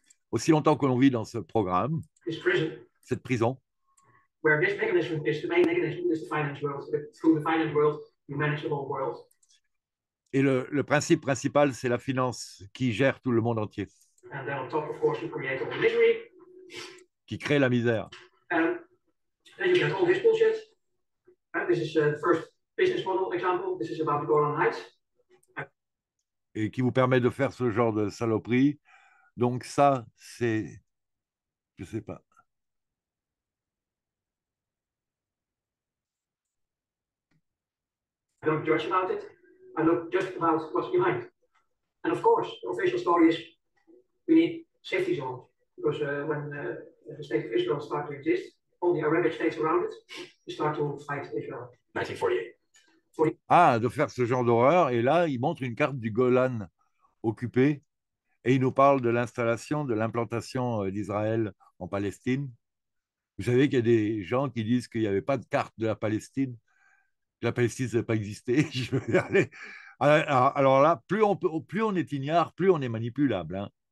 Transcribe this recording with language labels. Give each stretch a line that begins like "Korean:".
French: Aussi longtemps que l'on vit dans ce programme, cette prison,
English: where this mechanism is the main mechanism is the finance world. So through the finance world, you manage the whole world.
French: Et le principe principal, c'est la finance qui gère tout le monde entier.
English: And then on top of course, you create all the misery.
French: Qui crée la misère.
English: Then you get all this bullshit. Right? This is the first business model example. This is about the Golan Heights.
French: Et qui vous permet de faire ce genre de saloperie. Donc ça, c'est, je sais pas.
English: I don't judge about it. I look just about what's behind. And of course, the official story is we need safety zones because when the state of Israel starts to exist, all the Arabic states around it start to fight Israel. 1948.
French: Ah, de faire ce genre d'horreur. Et là, il montre une carte du Golan occupé et il nous parle de l'installation, de l'implantation d'Israël en Palestine. Vous savez qu'il y a des gens qui disent qu'il n'y avait pas de carte de la Palestine. La Palestine, ça n'a pas existé. Alors là, plus on est ignare, plus on est manipulable. Hein.